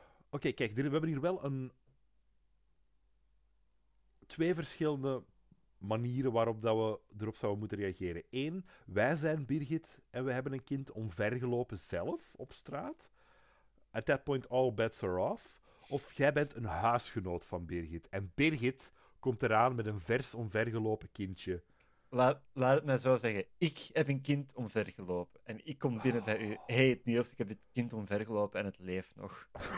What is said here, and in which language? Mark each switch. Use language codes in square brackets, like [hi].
[nl] Oké, kijk, we hebben hier wel een... twee verschillende manieren waarop dat we erop zouden moeten reageren. Eén, wij zijn Birgit en we hebben een kind omvergelopen zelf op straat. [en] At that point, all bets are off. [nl] Of jij bent een huisgenoot van Birgit. En Birgit komt eraan met een vers omvergelopen kindje. Laat het mij zo zeggen. Ik heb een kind omvergelopen. En ik kom binnen bij u. Hé, hey, Niels, ik heb het kind omvergelopen en het leeft nog.